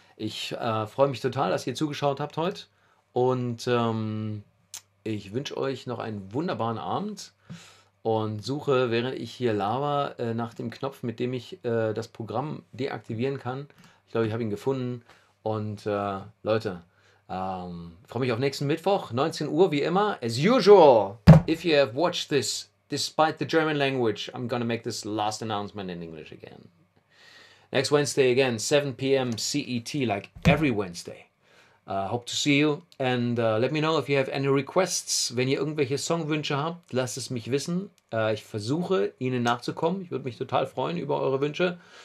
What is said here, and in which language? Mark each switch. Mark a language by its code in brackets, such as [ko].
[de] Ich freue mich total, dass ihr zugeschaut habt heute. Und ich wünsche euch noch einen wunderbaren Abend. Und suche, während ich hier laber, nach dem Knopf, mit dem ich das Programm deaktivieren kann. Ich glaube, ich habe ihn gefunden. Und Leute, freue mich auf nächsten Mittwoch, 19 Uhr, wie immer. [en] As usual, if you have watched this, despite the German language, I'm gonna make this last announcement in English again. Next Wednesday again, 7 p.m. CET, like every Wednesday. Hope to see you and let me know if you have any requests. [de] Wenn ihr irgendwelche Songwünsche habt, lasst es mich wissen. Ich versuche, ihnen nachzukommen. Ich würde mich total freuen über eure Wünsche.